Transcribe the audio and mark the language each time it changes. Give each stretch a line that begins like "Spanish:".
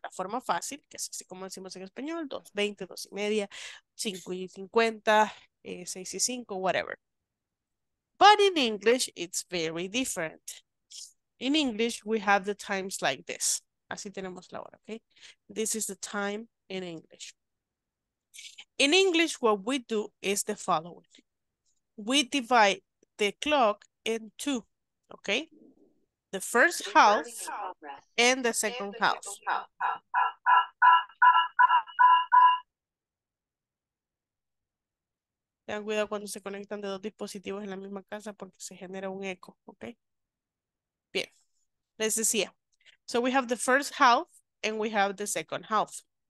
Spanish: La forma fácil, que es así como decimos en español, 2:20, 2:30, 5:50, 6:05, whatever.
English: But in English, it's very different. In English, we have the times like this.
Spanish: Así tenemos la hora,
English: okay? This is the time in English. In English, what we do is the following. We divide the clock in two, okay? The first half and the second half.
Spanish: Tengan cuidado cuando se conectan de dos dispositivos en la misma casa porque se genera un eco, okay? Bien, les decía.
English: So we have the first half and we have the second half.